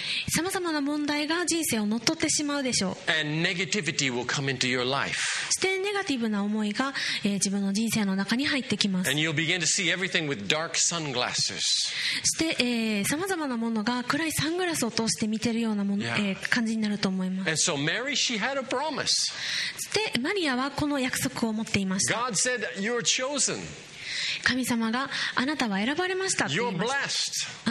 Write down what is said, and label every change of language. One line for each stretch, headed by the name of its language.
Japanese: さまざまな問題が人生を乗っ取ってしまうでしょう。
English: And negativity will come into your life.
Japanese: そしてネガティブな思いが、自分の人生の中に入ってきます。
English: And you'll begin to see everything with dark sunglasses.
Japanese: そしてさまざまなものが暗いサングラスを通して見てるようなもの、感じになると思います。
English: And so Mary, she had a promise.
Japanese: そしてマリアはこの約束を持っていました。
English: God said, you're chosen.
Japanese: 神様があなたは選ばれましたと言いました。